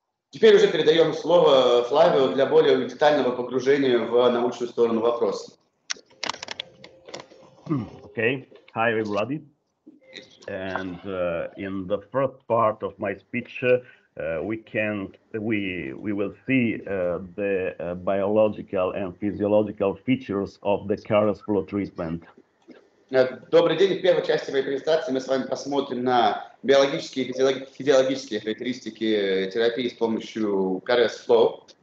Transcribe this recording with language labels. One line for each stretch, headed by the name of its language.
Russian: Теперь уже передаем слово Флавио для более детального погружения в научную сторону вопроса.
English: Okay, hi everybody. And in the first part of my speech, we will see the biological and physiological features of the CARES FLOW treatment.
Russian: Добрый день. В первой части моей презентации мы с вами посмотрим на биологические и физиологические характеристики терапии с помощью CARES FLOW.